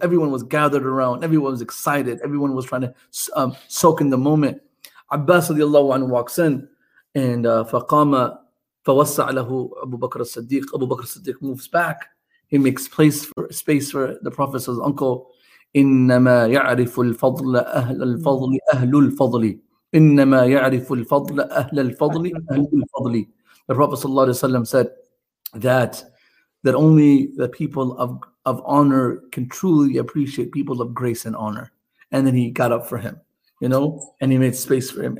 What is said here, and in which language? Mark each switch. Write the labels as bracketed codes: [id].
[en] Everyone was gathered around, everyone was excited, everyone was trying to soak in the moment. Abbas radiallahu anhu walks in, and [ar] فقام فوسع له أبو بكر الصديق. [en] Abu Bakr al-Siddiq moves back. He makes space for the Prophet's uncle. [ar] إنما يعرف الفضل أهل الفضل أهل الفضل. إنما يعرف الفضل أهل الفضل أهل الفضل. [en] The Prophet sallallahu alaihi wasallam said that that only the people of honor can truly appreciate, people of grace and honor. And then he got up for him, you know, and he made space for him.